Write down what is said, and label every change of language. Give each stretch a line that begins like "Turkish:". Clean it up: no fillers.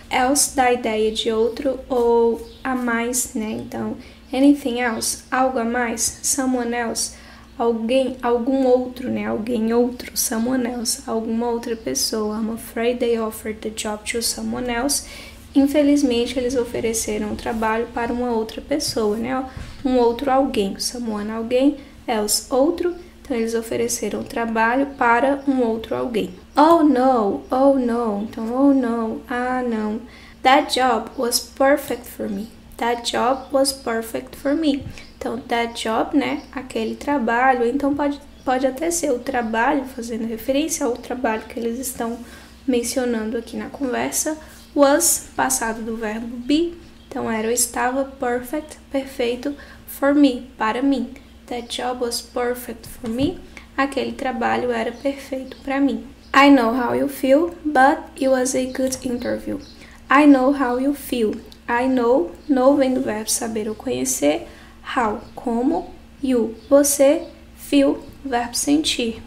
Portuguese: Else dá a ideia de outro ou a mais, né, então,
English: anything else,
Portuguese: algo a mais,
English: someone else,
Portuguese: alguém, algum outro, né, alguém outro,
English: someone else,
Portuguese: alguma outra pessoa.
English: I'm afraid they offered the job to someone else.
Portuguese: Infelizmente, eles ofereceram o trabalho para uma outra pessoa, né? Um outro alguém, someone, alguém, else, outro. Então, eles ofereceram o trabalho para um outro alguém.
English: Oh, no,
Portuguese: então, oh, no, ah, não.
English: That job was perfect for me. That job was perfect for me.
Portuguese: Então, that job, né? Aquele trabalho. Então, pode até ser o trabalho, fazendo referência ao trabalho que eles estão mencionando aqui na conversa. Was, passado do verbo be, então era ou estava, perfect, perfeito, for me, para mim.
English: That job was perfect for me,
Portuguese: aquele trabalho era perfeito para mim.
English: I know how you feel, but it was a good interview. I know how you feel.
Portuguese: I know vem do verbo saber ou conhecer, how, como, you, você, feel, verbo sentir.